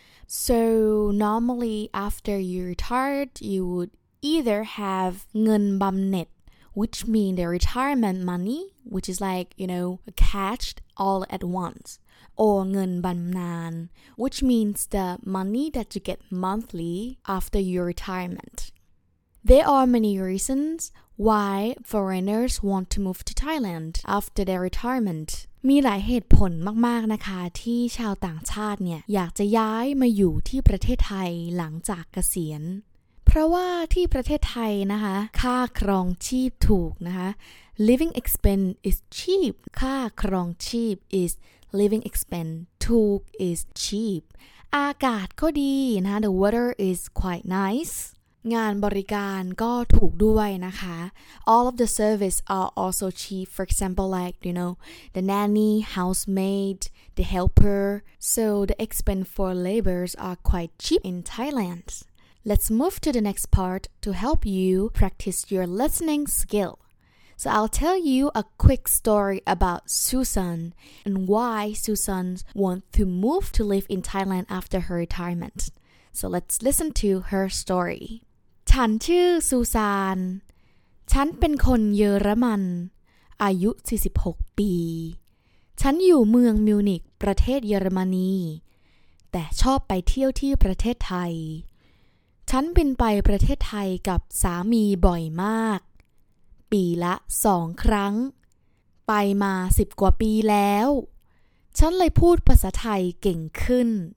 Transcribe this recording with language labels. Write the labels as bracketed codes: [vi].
[en] So normally after you retired, you would either have Ngân Bam Net, which means the retirement money, which is like, you know, cashed all at once. Or Ngân Bam Nan, which means the money that you get monthly after your retirement. There are many reasonsWhy foreigners want to move to Thailand after their retirement? [th] มีหลายเหตุผลมากๆนะคะที่ชาวต่างชาติเนี่ยอยากจะย้ายมาอยู่ที่ประเทศไทยหลังจากเกษียณเพราะว่าที่ประเทศไทยนะคะค่าครองชีพถูกนะคะ [en] living expense is cheap [th] ค่าครองชีพ [en] is living expense [th] ถูก [en] is cheap [th] อากาศก็ดีนะ [en] the weather is quite nice [th] งานบริการก็ถูกด้วยนะคะ [en] All of the service are also cheap. For example, like, you know, the nanny, housemaid, the helper. So the expense for labors are quite cheap in Thailand. Let's move to the next part to help you practice your listening skill. So I'll tell you a quick story about Susan and why Susan wants to move to live in Thailand after her retirement. So let's listen to her story. [th] ฉันชื่อซูซานฉันเป็นคนเยอรมันอายุ46ปีฉันอยู่เมืองมิวนิกประเทศเยอรมนีแต่ชอบไปเที่ยวที่ประเทศไทยฉันบินไปประเทศไทยกับสามีบ่อยมากปีละ2ครั้งไปมา10กว่าปีแล้วฉันเลยพูดภาษาไทยเก่งขึ้น